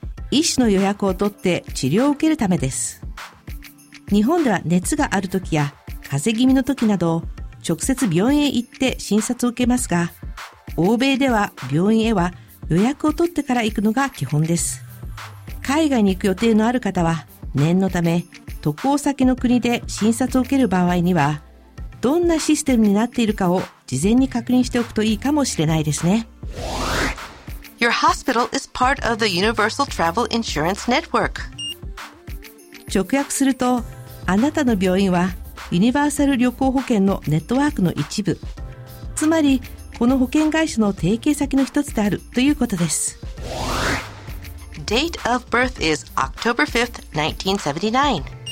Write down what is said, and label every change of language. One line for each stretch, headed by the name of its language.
Japanese: 医師の予約を取って治療を受けるためです。日本では熱がある時や風邪気味の時など、直接病院へ行って診察を受けますが、欧米では病院へは予約を取ってから行くのが基本です。海外に行く予定のある方は、念のため渡航先の国で診察を受ける場合には、どんなシステムになっているかを事前に確認しておくといいかもしれないですね。
English: Your hospital is part of the Universal Travel Insurance Network.
Japanese: 直訳すると、あなたの病院はユニバーサル旅行保険のネットワークの一部、つまりこの保険会社の提携先の一つであるということです。
English: Date of birth is October 5th, 1979。